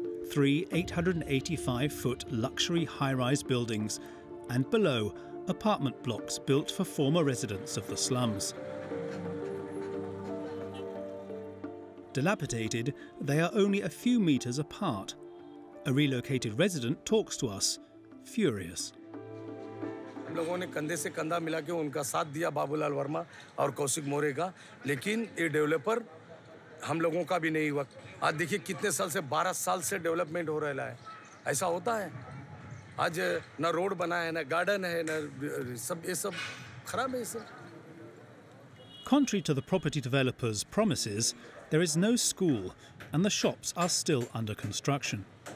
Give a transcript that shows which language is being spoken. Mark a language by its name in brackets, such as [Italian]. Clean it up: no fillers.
[English] Three 885-foot luxury high-rise buildings, and below, apartment blocks built for former residents of the slums. Dilapidated, they are only a few meters apart. A relocated resident talks to us, furious. [Hindi] लोगों ने कंधे से कंधा मिला के उनका साथ दिया बाबूलाल वर्मा और कौशिक मोरे का लेकिन ये डेवलपर हम लोगों का भी नहीं वक्त आज देखिए कितने साल से 12 साल से डेवलपमेंट हो रहा है ऐसा होता है आज ना रोड बना है ना गार्डन है ना सब ये सब खराब है सब [English] Contrary to the property developers' promises, there is no school and the shops are still under construction.